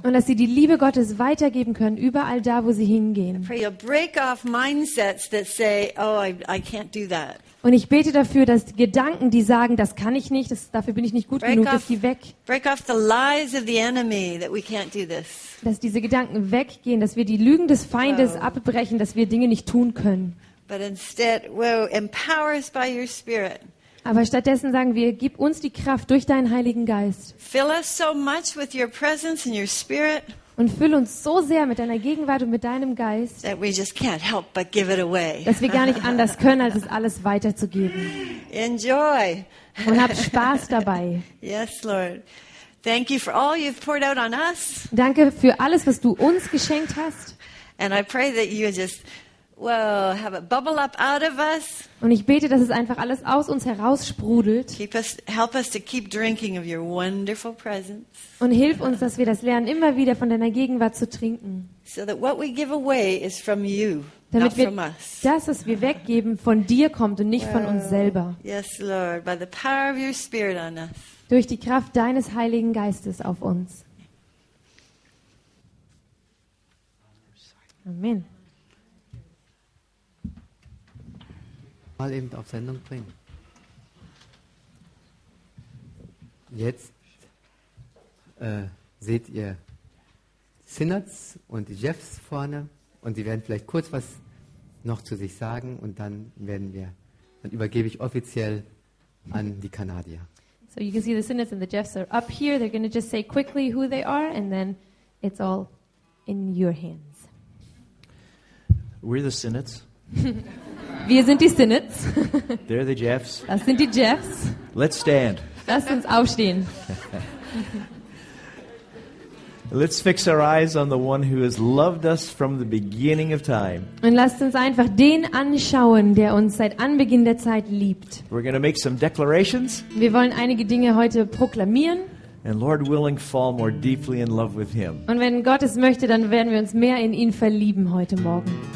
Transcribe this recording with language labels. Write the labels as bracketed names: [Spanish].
[German] Und dass sie die Liebe Gottes weitergeben können überall da, wo sie hingehen. [English] Pray you'll break off mindsets that say, "Oh, I can't do that." [German] Und ich bete dafür, dass die Gedanken, die sagen, das kann ich nicht, dafür bin ich nicht gut genug, dass die weg. [English] Break off the lies of the enemy that we can't do this. [German] Dass diese Gedanken weggehen, dass wir die Lügen des Feindes abbrechen, dass wir Dinge nicht tun können. [English] But instead, empower us by your Spirit. [German] Aber stattdessen sagen wir, gib uns die Kraft durch deinen Heiligen Geist. [English] Fill us so much with your presence and your spirit. [German] Und füll uns so sehr mit deiner Gegenwart und mit deinem Geist. [English] That we just can't help but give it away. [German] Dass wir gar nicht anders können, als es alles weiterzugeben. [English] Enjoy. [German] Und hab Spaß dabei. [English] Yes, Lord. Thank you for all you've poured out on us. [German] Danke für alles, was du uns geschenkt hast. [English] And I pray that you just have it bubble up out of us. [German] Und ich bete, dass es einfach alles aus uns heraussprudelt. [English] Help us to keep drinking of your wonderful presence. [German] Und hilf uns, dass wir das lernen, immer wieder von deiner Gegenwart zu trinken. [English] So that what we give away is from you, [German] damit [English] not from us. [German] Das, was wir weggeben, von dir kommt und nicht von uns selber. [English] Yes, Lord, by the power of your Spirit on us. [German] Durch die Kraft deines Heiligen Geistes auf uns. [English] Amen. [German] Mal eben auf Sendung bringen. Jetzt seht ihr Sinnerts und Jeffs vorne und sie werden vielleicht kurz was noch zu sich sagen und dann übergebe ich offiziell an die Kanadier. [English] So you can see the Sinnerts and the Jeffs are up here. They're going to just say quickly who they are and then it's all in your hands. We're the Sinnerts. [German] Wir sind die Sinnets. [English] They're the Jeffs. [German] Das sind die Jeffs. [English] Let's stand. [German] Lasst uns aufstehen. [English] Let's fix our eyes on the one who has loved us from the beginning of time. [German] Und lasst uns einfach den anschauen, der uns seit Anbeginn der Zeit liebt. [English] We're going to make some declarations. [German] Wir wollen einige Dinge heute proklamieren. [English] And Lord willing, fall more deeply in love with him. [German] Und wenn Gott es möchte, dann werden wir uns mehr in ihn verlieben heute Morgen.